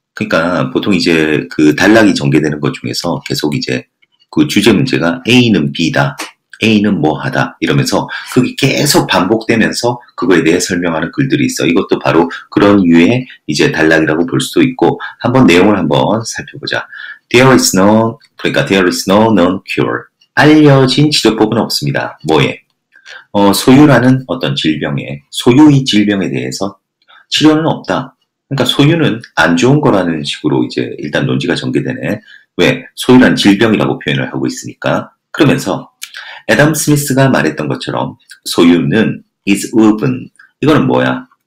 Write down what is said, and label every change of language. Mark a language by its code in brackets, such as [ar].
[ko] 그러니까 보통 이제 그 단락이 전개되는 것 중에서 계속 이제 그 주제 문제가 A는 B다, A는 뭐 하다 이러면서 그게 계속 반복되면서 그거에 대해 설명하는 글들이 있어. 이것도 바로 그런 류의 이제 단락이라고 볼 수도 있고, 한번 내용을 한번 살펴보자. [en] There is no, [ko] 그러니까 [en] there is no known cure. [ko] 알려진 치료법은 없습니다. 뭐에? 소유라는 어떤 질병에, 소유의 질병에 대해서 치료는 없다. 그러니까 소유는 안 좋은 거라는 식으로 이제 일단 논지가 전개되네. 왜? 소유란 질병이라고 표현을 하고 있으니까. 그러면서 애덤 스미스가 말했던 것처럼 소유는 [en] is urban. [ko] 이거는 뭐야?